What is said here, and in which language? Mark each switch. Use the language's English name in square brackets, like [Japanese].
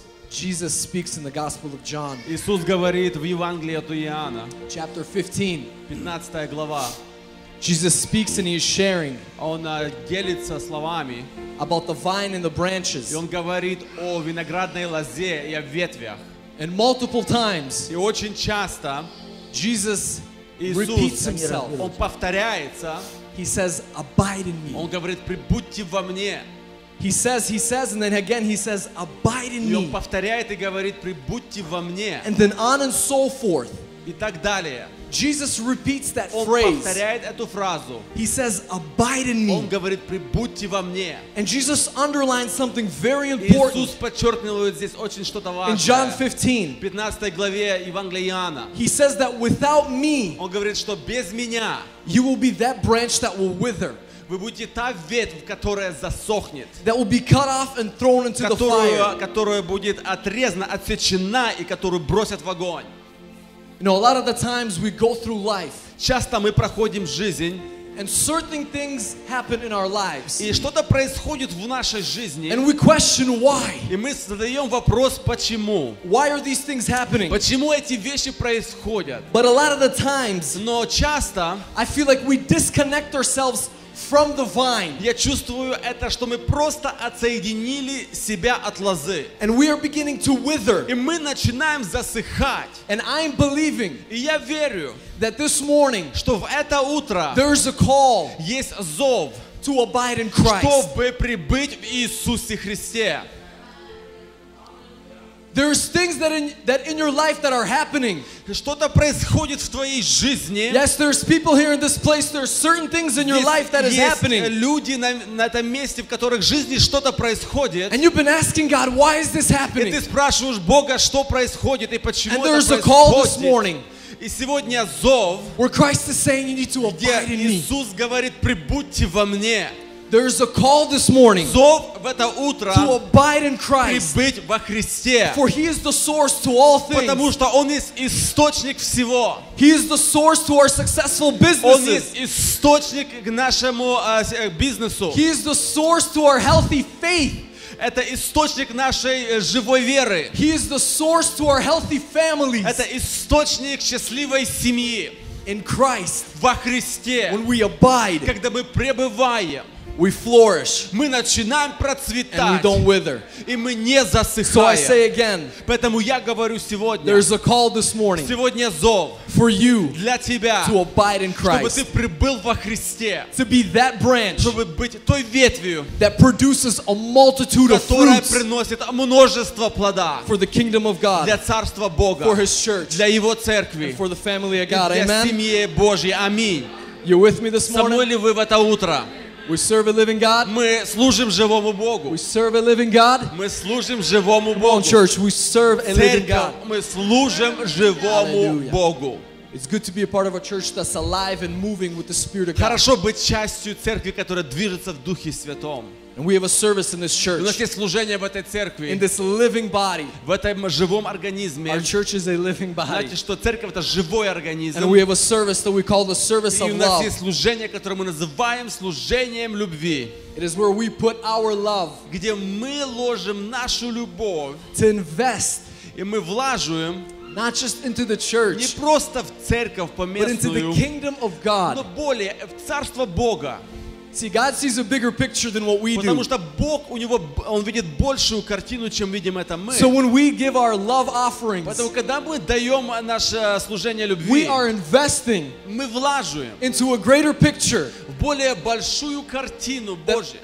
[English] Jesus speaks in the Gospel of John. [Russian] Иисус говорит в Евангелии от Иоанна. [English] Chapter 15. [Russian] 15 глава. [English] Jesus speaks and he is sharing. [Russian] Он делится словами. [English] About the vine and the branches. [Russian] И он говорит о виноградной лозе и о ветвях. [English] And multiple times. [Russian] И очень часто. [English] Jesus repeats himself. [Russian] Он повторяется. [English] He says, "Abide in me." [Russian] Он говорит, прибудьте во мне. [English] He says, and then again he says, "Abide in me." [Russian] И он повторяет и говорит, прибудьте во мне. [English] And then on and so forth. [Russian] И так далее. [English] Jesus repeats that [Russian] он [English] phrase. [Russian] Он повторяет эту фразу. [English] He says, "Abide in me." [Russian] Он говорит, прибудьте во мне. [English] And Jesus underlines something very important. [Russian] Иисус подчеркнет здесь очень что-то важное. [English] In John 15. [Russian] 15 главе Евангелия Иоанна. [English] He says that without me. [Russian] Он говорит, что без меня. [English] You will be that branch that will wither. [Russian] Вы будете та ветвь, которая засохнет. [English] That will be cut off and thrown into the fire. [Russian] Которая будет отрезана, отсечена и которую бросят в огонь. [English] You know, a lot of the times we go through life. [Russian] Часто мы проходим жизнь. [English] And certain things happen in our lives. [Russian] И что-то происходит в нашей жизни. [English] And we question why. [Russian] И мы задаем вопрос почему. [English] Why are these things happening? [Russian] Почему эти вещи происходят? [English] But a lot of the times. [Russian] Но часто. [English] I feel like we disconnect ourselves from the vine. [Russian] Я чувствую это, что мы просто отсоединили себя от лозы. [English] And we are beginning to wither. [Russian] И мы начинаем засыхать. [English] And I'm believing. [Russian] И я верю. [English] That this morning. [Russian] Что в это утро. [English] There's a call. [Russian] Есть зов. [English] To abide in Christ. [Russian] Чтобы прибыть в Иисусе Христе. [English] There's things that in your life that are happening. [Russian] Что-то происходит в твоей жизни. [English] Yes, there's people here in this place. There's certain things in your life that is happening. [Russian] Есть люди на этом месте, в которых в жизни что-то происходит. [English] And you've been asking God, why is this happening? [Russian] И ты спрашиваешь Бога, что происходит и почему это происходит. [English] And there's a call this morning. [Russian] И сегодня зов. [English] Where Christ is saying you need to abide in me. [Russian] Иисус говорит, прибудьте во мне. [English] There's a call this morning [Russian] зов в это утро [English] to abide in Christ, [Russian] прибыть во Христе. [English] For he is the source to all things. [Russian] Потому что Он есть источник всего. [English] He is the source to our successful businesses. [Russian] Он есть источник к нашему бизнесу. [English] He is the source to our healthy faith. [Russian] Это источник нашей живой веры. [English] He is the source to our healthy families. [Russian] Это источник счастливой семьи. [English] In Christ, [Russian] во Христе. [English] When we abide, [Russian] когда мы пребываем. [English] We flourish. [Russian] Мы начинаем процветать. [English] And we don't wither. [Russian] И мы не засыхаем. [English] So I say again. [Russian] Поэтому я говорю сегодня. [English] There's a call this morning. [Russian] Сегодня зов. [English] For you. [Russian] Для тебя. [English] To abide in Christ. [Russian] Чтобы ты прибыл во Христе. [English] To be that branch. [Russian] Чтобы быть той ветвью. [English] That produces a multitude of fruits. [Russian] Которая приносит множество плода. [English] For the kingdom of God. [Russian] Для царства Бога. [English] For His church. [Russian] Для Его церкви. [English] And for the family of God. Amen. [Russian] Для семьи Божьей. Аминь. [English] You with me this morning? [Russian] Со мной ли вы в это утро? [English] We serve a living God. [Russian] Мы служим живому Богу. [English] We serve a living God. [Russian] Мы служим живому Богу. [English] Come on, church, we serve a living God. [Russian] Мы служим живому Богу. [English] It's good to be a part of a church that's alive and moving with the Spirit of God. [Russian] Хорошо быть частью церкви, которая движется в Духе Святом. [English] And we have a service in this church. [Russian] У нас есть служение в этой церкви. [English] In this living body. [Russian] В этом живом организме. [English] Our church is a living body. [Russian] Знаете, что церковь это живой организм. [English] And we have a service that we call the service of love. [Russian] И у нас есть служение, которое мы называем служением любви. [English] It is where we put our love. [Russian] Где мы ложим нашу любовь. [English] To invest. [Russian] И мы вложим. [English] Not just into the church. [Russian] Не просто в церковь поместную. [English] But into the kingdom of God. [Russian] Но более в царство Бога. [English] See, God sees a bigger picture than what we do. [Russian] Потому что Бог у него он видит большую картину, чем видим это мы. [English] So when we give our love offerings, [Russian] поэтому когда мы даем наше служение любви, [English] we are investing, [Russian] мы вложим [English] into a greater picture, [Russian] в более большую картину Божью,